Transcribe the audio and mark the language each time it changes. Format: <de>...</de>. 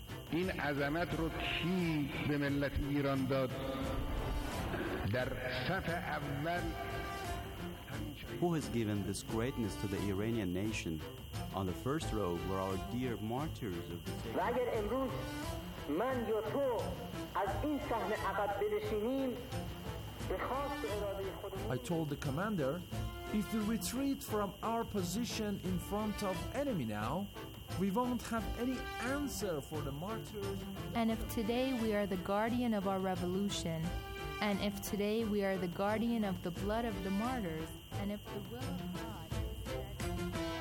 <fa>این عظمت رو کی به ملت ایران داد؟ در صف اول</fa> <en>Who has given this greatness to the Iranian nation? On the first row were our dear martyrs of the state.</en> <fa>و اگر امروز من یا تو از این صحنه عقب بنشینیم به خواست اراده خودمون</fa> <en>I told the commander, if we retreat from our position in front of enemy now, we won't have any answer for the martyrs. And if today we are the guardian of our revolution, and if today we are the guardian of the blood of the martyrs, and if the will of God</en>